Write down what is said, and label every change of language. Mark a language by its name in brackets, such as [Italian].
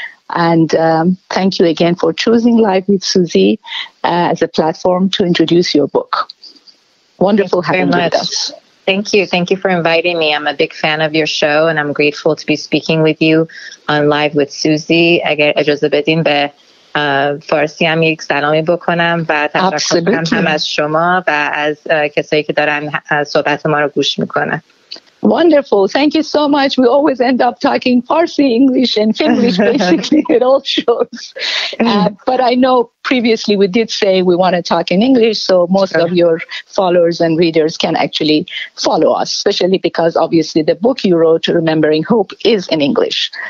[English] And thank you again for choosing Live with Suzi as a platform to introduce your book. Wonderful having you with us. Thank you. Thank you for inviting me. I'm a big fan of your show, and I'm grateful to be speaking with you on Live with Suzi. [Persian] اگر اجازه بدین به فارسی هم یک سلامی بکنم و تشکر کنم هم از شما و از کسایی که دارن صحبت ما رو گوش میکنن. [English] Wonderful. Thank you so much. We always end up talking Farsi, English, and Finnish, basically, it all shows. But I know previously we did say we want to talk in English, so most of your followers and readers can actually follow us, especially because obviously the book you wrote, Remembering Hope, is in English.